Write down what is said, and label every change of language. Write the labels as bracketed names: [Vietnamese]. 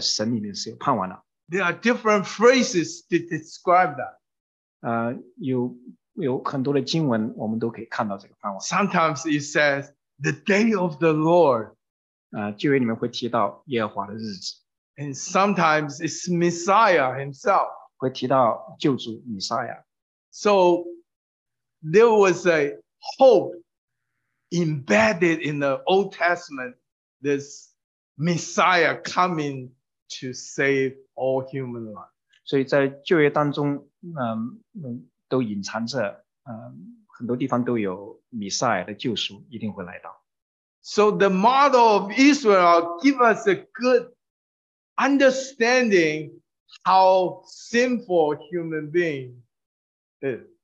[Chinese] 但是在旧约的经文当中，我们也看到，在人的失败当中，确实我们在神里面是有盼望的。There [English] are different phrases to describe that. [Chinese] 有很多的经文，我们都可以看到这个盼望。 [English] Sometimes it says the day of the Lord. [Chinese] 旧约里面会提到耶和华的日子。And [English] sometimes it's Messiah himself. [Chinese] 会提到救主弥赛亚。So [English] there was a hope embedded in the Old Testament, this Messiah coming to save all human life. [Chinese] 所以在旧约当中，都隐藏着，很多地方都有弥赛亚的救赎一定会来到。 [English] So the model of Israel gives us a good understanding how sinful human being is.